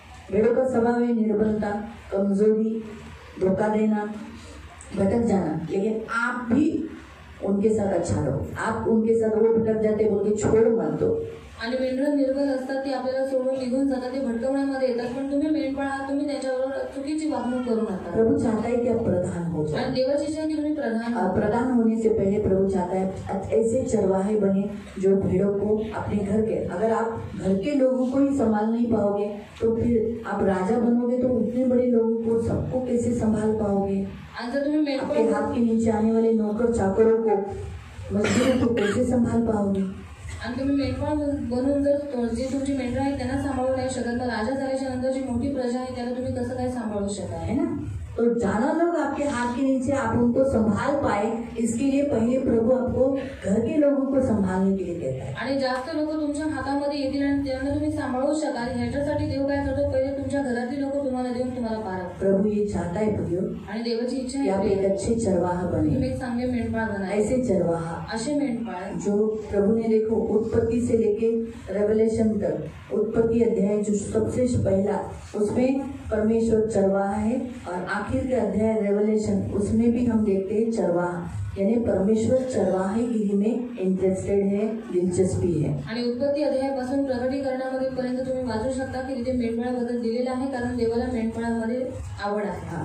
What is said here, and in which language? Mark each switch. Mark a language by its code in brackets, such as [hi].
[hi] भेड़ों का स्वभाव है निर्बलता, कमजोरी, धोखा देना, भटक जाना, लेकिन आप भी उनके साथ अच्छा रहो। आप उनके साथ वो भटक जाते बोल के छोड़ मत दो। [mr] आणि मेंढरा निर्बल असतात ते आपल्याला सोडून निघून जातात, ते भटकवण्यामध्ये येतात, पण तुम्ही मेंढपाळ आहात, तुम्ही त्याच्यावर चुकीची वागणूक करू नका। [hi] प्रभू चाहताय की आप प्रधान हो जाओ, [mr] आणि देवाची इच्छा की तुम्ही प्रधान [hi] होने से पहले प्रभू चाहताय ऐसे चरवाहे बने जो भेड़ों को अपने घर के, अगर आप घर के लोगों को ही संभाल नहीं पाओगे तो फिर आप राजा बनोगे तो उतने बड़े लोगों को सबको कैसे संभाल पाओगे। आपके हाथ के नीचे आने वाले नौकर चाकरों को मजदूरों को कैसे संभाल पाओगे। [mr] आणि तुम्ही मेंढपाळ बनून जर जी तुमची मेंढरा आहे त्यांना सांभाळू नाही शकत, तर राजा झाल्याच्या नंतर जी मोठी प्रजा आहे त्याला तुम्ही कसं काय सांभाळू शकता, [hi] है ना। तो ज्यादा लोग आपके हाथ के नीचे आप उनको संभाल पाए इसके लिए पहले प्रभु आपको घर के लोगों को संभालने के लिए कहता है। [mr] आणि जास्त लोक तुमच्या हातामध्ये येतील आणि त्यांना तुम्ही सांभाळू शकाल ह्याच्यासाठी देव काय करतो, पहिले तुमच्या घरातील लोक तुम्हाला देऊन तुम्हाला पार। [hi] प्रभु ये चाहता है प्रभु, [mr] आणि देवाची इच्छा आहे की [hi] आप एक अच्छे चरवाहा बने, [mr] एक चांगले मेंढपाळ बना, [hi] ऐसे चरवाहा, [mr] असे मेंढपाळ [hi] जो प्रभु ने देखो उत्पत्ति से लेके रेवलेशन तक, उत्पत्ति अध्याय जो सबसे पहला उसमें परमेश्वर चरवाहा है, और आखिर के अध्याय रेवलेशन उसमें भी हम देखते हैं चरवाहा, यानी परमेश्वर चरवाहे गिरी में इंटरेस्टेड है, दिलचस्पी है। [mr] आणि उत्पत्ति अध्याय पासून प्रगटीकरणामध्ये पर्यंत तुम्ही वाचू शकता की तिथे मेंढपाळाबद्दल दिलेलं आहे, कारण देवाला मेंढपाळामध्ये आवड आहे।